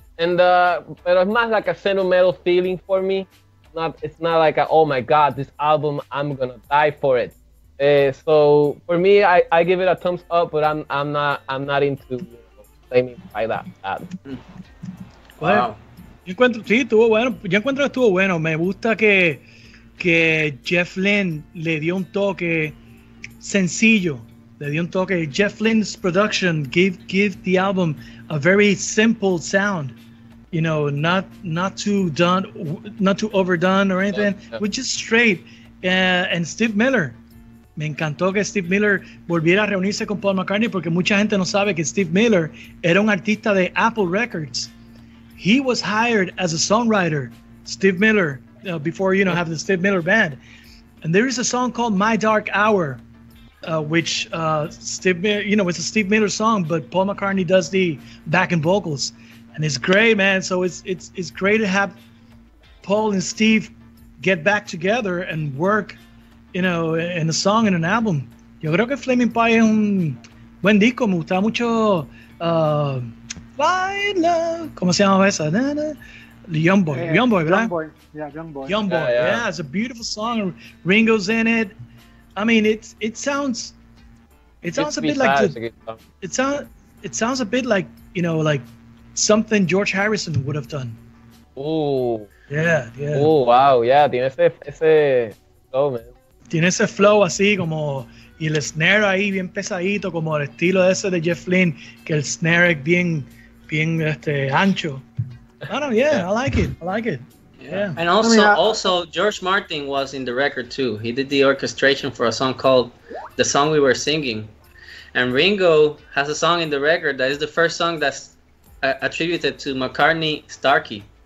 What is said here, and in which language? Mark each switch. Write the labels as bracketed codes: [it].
[es] Pero es más [en] like a sentimental feeling for me. It's not like, oh my God, this album, I'm going to die for it. So for me, I give it a thumbs up, but I'm not into, you know, claiming by that. [es] Wow. Yo encuentro que estuvo bueno. Me gusta que Jeff Lynne le dio un toque sencillo. Le dio un toque. [en] Jeff Lynne's production give the album a very simple sound. You know, not too overdone or anything, which is straight. And Steve Miller. [es] Me encantó que Steve Miller volviera a reunirse con Paul McCartney, porque mucha gente no sabe que Steve Miller era un artista de Apple Records. [en] He was hired as a songwriter, Steve Miller, before, you know, having the Steve Miller band. And there is a song called My Dark Hour, which Steve Miller, you know, it's a Steve Miller song, but Paul McCartney does the backing vocals. And it's great, man. So it's great to have Paul and Steve get back together and work, you know, in a song, in an album. [es] Yo creo que Fleming Pie es un buen disco. Me gusta mucho... Fight Love. ¿Cómo se llama esa? [en] Young Boy, it's a beautiful song. Ringo's in it. I mean, it sounds a bit like, you know, like something George Harrison would have done. [es] Tiene ese flow, man. Tiene ese flow así como. Y el snare ahí bien pesadito, como el estilo ese de Jeff Lynne, que el snare es bien. [en] Being ancho. I like it. Yeah. And also George Martin was in the record too. He did the orchestration for a song called The Song We Were Singing. And Ringo has a song in the record that is the first song that's attributed to McCartney Starkey.